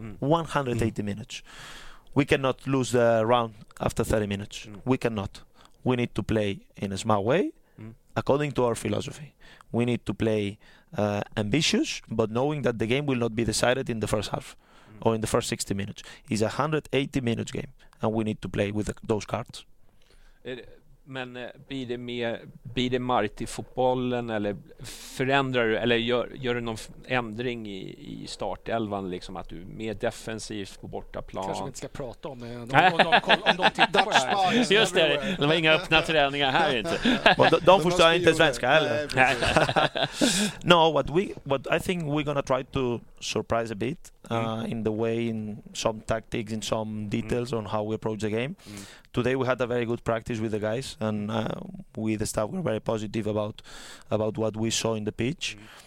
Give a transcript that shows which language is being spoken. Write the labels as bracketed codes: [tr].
[en] 180 minutes. We cannot lose the round after 30 minutes. We cannot. We need to play in a smart way according to our philosophy. We need to play ambitious, but knowing that the game will not be decided in the first half or in the first 60 minutes. It's a 180-minute game, and we need to play with those cards. [sv] Men blir det Marti fotbollen eller förändrar du eller gör du någon ändring i startelvan liksom att du är mer defensivt på bortaplan? Kanske vi inte ska prata om det. De just det, det var inga öppna träningar här inte. De förstår inte svenska heller. [en] No, what I think we're gonna try to surprise a bit in the way, in some tactics, in some details on how we approach the game. Today we had a very good practice with the guys, and we, the staff, were very positive about what we saw in the pitch.